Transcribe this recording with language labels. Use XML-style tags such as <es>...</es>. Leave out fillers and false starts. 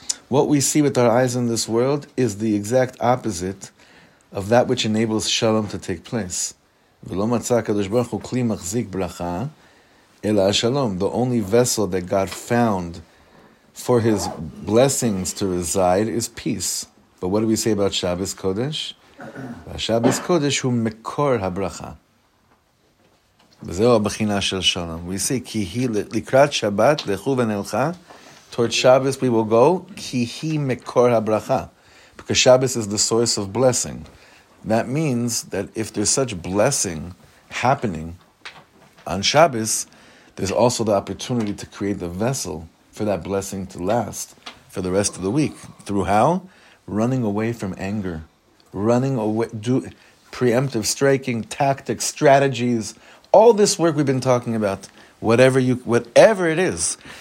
<en>What we see with our eyes in this world is the exact opposite of that which enables shalom to take place.</en> <he>ולא מצא הקדוש ברוך הוא כלי מחזיק ברכה, אלא השלום,</he> <en>the only vessel that God found for his blessings to reside is peace. But what do we say about Shabbos Kodesh?</en> <he>Shabbos Kodesh הוא מקור הברכה. וזהו הבחינה של שלום.</he> <en>We say,</en> <he>כי היא לקראת שבת, לכו ונלכה,</he> <en>toward Shabbos we will go,</en> <he>כי היא מקור הברכה.</he> <en>Because Shabbos is the source of blessing. That means that if there's such blessing happening on Shabbos, there's also the opportunity to create the vessel for that blessing to last for the rest of the week. Through how? Running away from anger. Running away, do preemptive striking, tactics, strategies, all this work we've been talking about, whatever it is.</en>